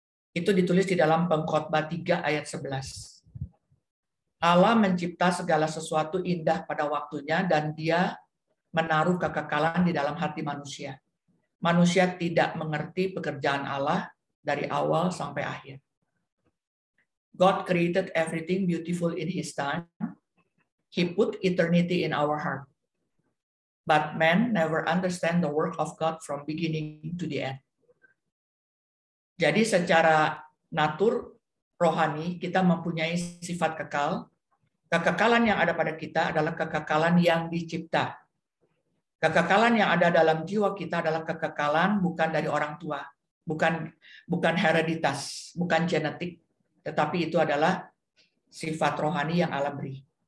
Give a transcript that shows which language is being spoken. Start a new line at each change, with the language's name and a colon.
Indonesian: Itu ditulis di dalam Pengkhotbah 3 ayat 11. Allah mencipta segala sesuatu indah pada waktunya dan dia menaruh kekekalan di dalam hati manusia. Manusia tidak mengerti pekerjaan Allah dari awal sampai akhir.
English: God created everything beautiful in his time. He put eternity in our heart. But man never understand the work of God from beginning to the end.
Indonesian: Jadi secara natur rohani, kita mempunyai sifat kekal. Kekekalan yang ada pada kita adalah kekekalan yang dicipta. Kekekalan yang ada dalam jiwa kita adalah kekekalan bukan dari orang tua. Bukan hereditas, bukan genetik. Tetapi itu adalah sifat rohani yang Allah beri.